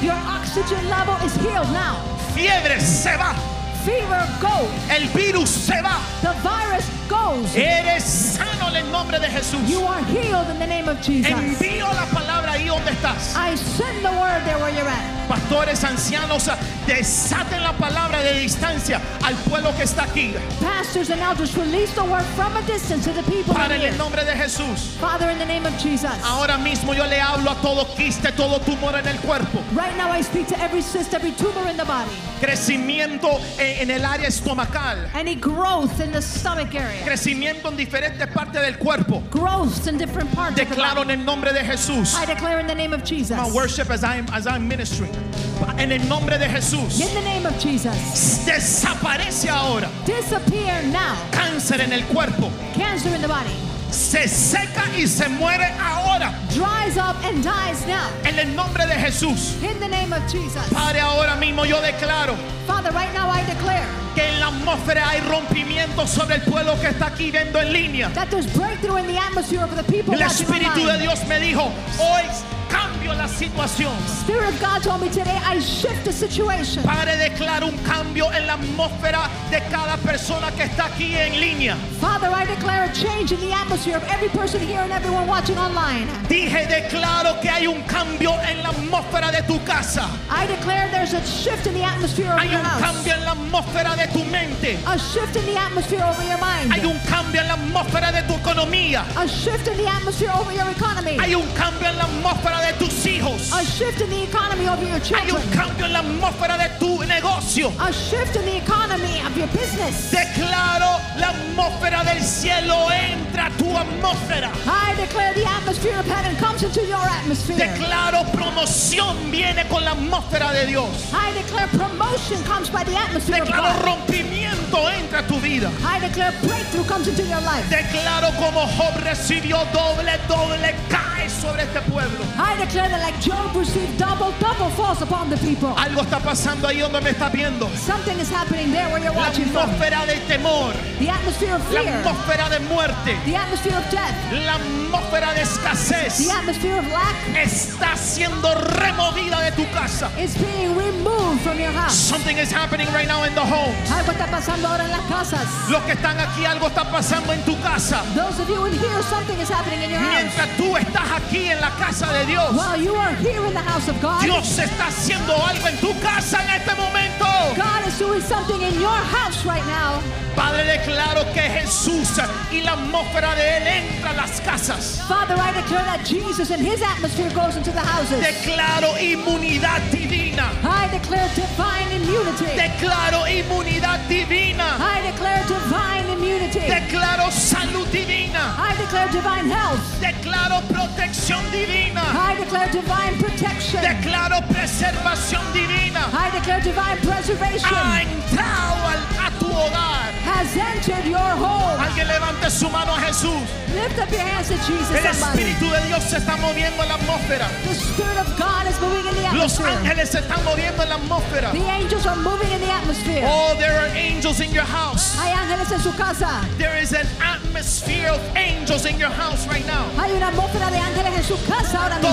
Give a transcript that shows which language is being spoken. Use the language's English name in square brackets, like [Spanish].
[English] Your oxygen level is healed now. [Spanish] Fiebre se va. [English] Fever goes. [Spanish] El virus se va. [English] The virus goes. [Spanish] Eres sano en el nombre de Jesús. [English] You are healed in the name of Jesus. [Spanish] Envío la palabra ahí donde estás. [English] I send the word there where you're at. [Spanish] Pastores, ancianos, desaten la palabra de distancia al pueblo que está aquí. [English] Pastors and elders, release the word from a distance to the people here. [Spanish] Padre, en el nombre de Jesús. [English] Father, in the name of Jesus. [Spanish] Ahora mismo yo le hablo a todo quiste, todo tumor en el cuerpo. [English] Right now I speak to every cyst, every tumor in the body. [Spanish] Crecimiento en el área estomacal. [English] Any growth in the stomach area. [Spanish] Crecimiento en diferentes partes del cuerpo. [English] Growth in different parts. [Spanish] Declaro en el nombre de Jesús. [English] I declare in the name of Jesus. My worship as I'm ministering. [Spanish] En el nombre de Jesús. [English] In the name of Jesus. [Spanish] Desaparece ahora. [English] Disappear now. [Spanish] Cáncer en el cuerpo. [English] Cancer in the body. [Spanish] Se seca y se muere ahora. [English] Dries up and dies now. [Spanish] En el nombre de Jesús. [English] In the name of Jesus. [Spanish] Padre, ahora mismo yo declaro. [English] Father, right now I declare. [Spanish] Que en la atmósfera hay rompimiento sobre el pueblo que está aquí viendo en línea. [English] That there's breakthrough in the atmosphere for the people watching. [Spanish] El Espíritu de Dios me dijo, hoy cambio la situación. [English] Spirit of God told me today I shift the situation. [Spanish] Padre, declaro un cambio en la atmósfera de cada persona que está aquí en línea. [English] Father, I declare a change in the atmosphere of every person here and everyone watching online. [Spanish] Dije, declaro que hay un cambio en la atmósfera de tu casa. [English] I declare there's a shift in the atmosphere of [Spanish] hay [English] your house. [Spanish] Hay un cambio en la atmósfera de tu mente. [English] A shift in the atmosphere over your mind. [Spanish] Hay un cambio en la atmósfera de tu economía. [English] A shift in the atmosphere over your economy. [Spanish] Hay un cambio en la atmósfera de tus hijos. [English] A shift in the economy of your children. [Spanish] Hay un cambio en la atmósfera de tu negocio. [English] A shift in the economy of your business. [Spanish] Declaro la atmósfera del cielo entra a tu atmósfera. [English] I declare the atmosphere of heaven comes into your atmosphere. [Spanish] Declaro promoción viene con la atmósfera de Dios. [English] I declare promotion comes by the atmosphere [Spanish] declaro [English] of God. [Spanish] Declaro rompimiento entra a tu vida. [English] I declare breakthrough comes into your life. [Spanish] Declaro como Job recibió doble cae sobre este pueblo. [English] I declare that like Job received double falls upon the people. [Spanish] Algo está pasando ahí donde me estás viendo. [English] Something is happening there where you're [Spanish] la [English] watching. [Spanish] La atmósfera de temor. [English] The atmosphere of fear. [Spanish] La atmósfera de muerte. [English] The atmosphere of death. [Spanish] La atmósfera de escasez. [English] The atmosphere of lack. [Spanish] Está siendo removida de tu casa. [English] It's being removed from your house. Something is happening right now in the homes. [Spanish] Algo está pasando ahora en las casas. Los que están aquí, algo está pasando en tu casa. [English] Those of you in here, something is happening in your house. [Spanish] Mientras tú estás aquí en la casa de Dios. [English] While you are here in the house of God, [Spanish] Dios está haciendo algo en tu casa en este momento. [English] God is doing something in your house right now. [Spanish] Padre, declaro que Jesús y la atmósfera de Él entra a las casas. [English] Father, I declare that Jesus and His atmosphere goes into the houses. [Spanish] Declaro inmunidad divina. [English] I declare divine immunity. [Spanish] Declaro inmunidad divina. [English] I declare divine immunity. [Spanish] Declaro salud divina. [English] I declare divine health. [Spanish] Declaro protección divina. [English] I declare divine protection. [Spanish] Declaro preservación divina. [English] I declare divine preservation. [Spanish] Ha entrado a tu hogar. [English] Has entered your home. [Spanish] Alguien levante su mano a Jesús. [English] Lift up your hands to Jesus, somebody. [Spanish] El Espíritu de Dios se está moviendo en la atmósfera. [English] The Spirit of God is moving in the atmosphere. [Spanish] Los ángeles se están moviendo en la atmósfera. [English] The angels are moving in the atmosphere. Oh, there are angels in your house. [Spanish] Hay ángeles en su casa. [English] There is an atmosphere of angels in your house right now. [Spanish] Hay una atmósfera de ángeles en su casa ahora mismo.